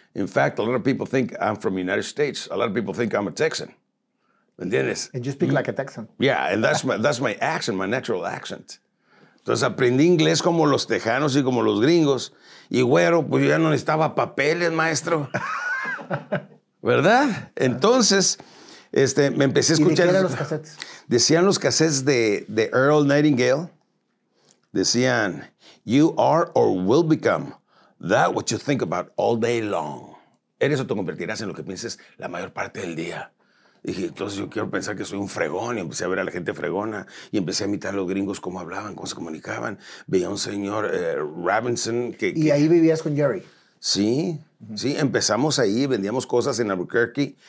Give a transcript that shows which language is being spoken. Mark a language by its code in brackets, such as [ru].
[en] In fact, a lot of people think I'm from the United States. A lot of people think I'm a Texan. [es] ¿Me entiendes? [en] And you speak like a Texan. Yeah, and that's my accent, my natural accent. [es] Entonces aprendí inglés como los tejanos y como los gringos. Y güero, pues yo ya no necesitaba papeles, maestro. ¿Verdad? Entonces, me empecé a escuchar. ¿Y de qué eran los cassettes? Decían los cassettes de Earl Nightingale. Decían, [en] you are or will become that what you think about all day long. [es] Eres o te convertirás en lo que pienses la mayor parte del día. Dije, entonces yo quiero pensar que soy un fregón. Y empecé a ver a la gente fregona. Y empecé a imitar a los gringos cómo hablaban, cómo se comunicaban. Veía a un señor, Robinson. ¿Y ahí vivías con Jerry? Sí, sí. Empezamos ahí, vendíamos cosas en Albuquerque.